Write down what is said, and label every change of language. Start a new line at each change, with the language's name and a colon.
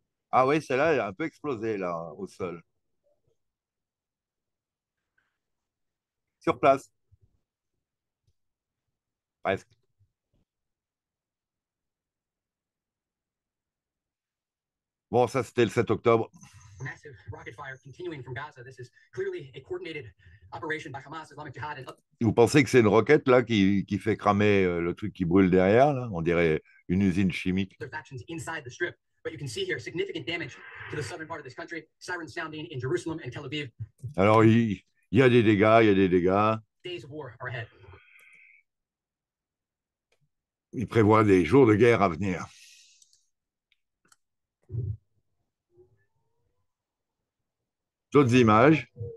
French: Ah oui, celle-là, elle a un peu explosé, là, au sol. Sur place. Presque. Bon, ça, c'était le 7 octobre.
English: massive rocket fire continuing from Gaza. This is clearly a coordinated operation by Hamas, Islamic Jihad, and...
French: Vous pensez que c'est une roquette là qui fait cramer le truc qui brûle derrière là? On dirait une usine chimique.
English: Other factions inside the strip, but you can see here significant damage to the southern part of this country. Sirens sounding in Jerusalem and Tel Aviv.
French: Alors il y a des dégâts, il y a des dégâts.
English: Days of war are ahead.
French: Il prévoit des jours de guerre à venir. D'autres images.